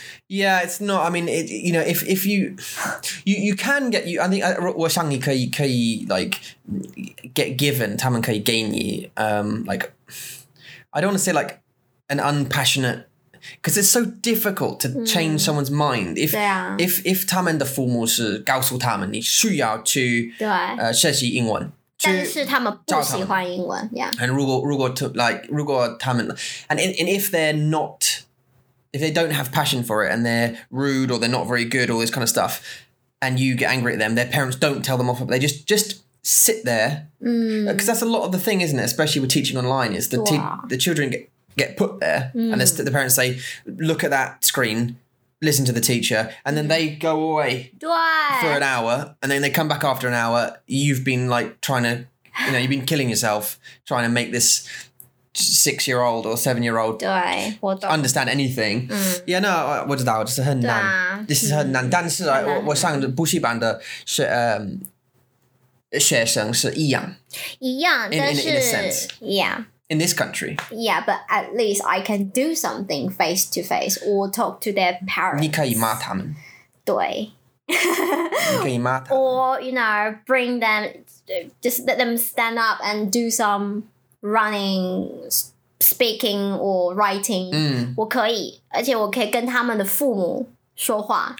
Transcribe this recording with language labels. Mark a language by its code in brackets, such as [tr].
[en] Yeah, it's not, I mean, it, you know, if you can get, you, I think, [zh] 我想你可以 [en] like, get given, [zh] 他们可以给你, [en] like, I don't want to say, like, an unpassionate, because it's so difficult to change someone's mind. If,、 [zh] 对啊、 [en] if [zh] 他们的父母是告诉他们你需要去学习英文。但是他们不喜欢英文, [en] yeah. And [zh] 如果他们, [en] and if they're not,if they don't have passion for it and they're rude or they're not very good, all this kind of stuff, and you get angry at them, their parents don't tell them off, they just sit there. Because、 mm. that's a lot of the thing, isn't it? Especially with teaching online, is the children get put there、 mm. and the parents say, look at that screen, listen to the teacher, and then they go away for an hour, and then they come back after an hour. You've been like trying to, you know, you've been killing yourself trying to make this... 6-year-old or 7-year-old understand anything、嗯、 yeah no [zh] 我知道这是很难、啊、 [en] this is [zh] 很难、嗯、但是、啊、我上补习班的是、学生是一样但是 [en] in a sense yeah in this country yeah but at least I can do something face to face or talk to their parents [zh] 你可以骂他们对你可以骂他们 [en] or you know bring them just let them stand up and do someRunning, speaking, or writing,、 mm. [zh] 我可以，而且我可以跟他们的父母说话。